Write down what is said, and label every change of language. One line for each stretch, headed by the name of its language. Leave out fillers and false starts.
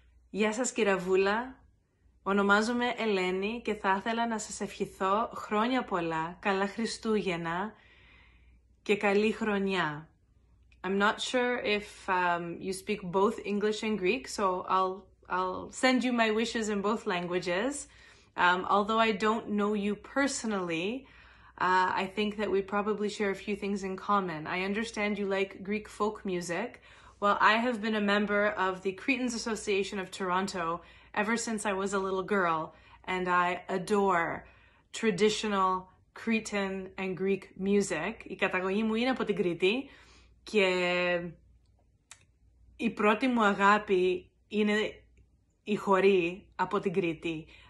Greek: Γεια σας κυρία Βούλα, ονομάζομαι Ελένη και θα ήθελα να σας ευχηθώ χρόνια πολλά, καλά Χριστούγεννα και καλή χρονιά.
English: I'm not sure if you speak both English and Greek, so I'll send you my wishes in both languages. Although I don't know you personally, I think that we probably share a few things in common. I understand you like Greek folk music. Well, I have been a member of the Cretans Association of Toronto ever since I was a little girl, and I adore traditional Cretan and Greek music.
Greek: Η καταγωγή μου είναι από την Κρήτη και η πρώτη μου αγάπη είναι η χορή από την Κρήτη.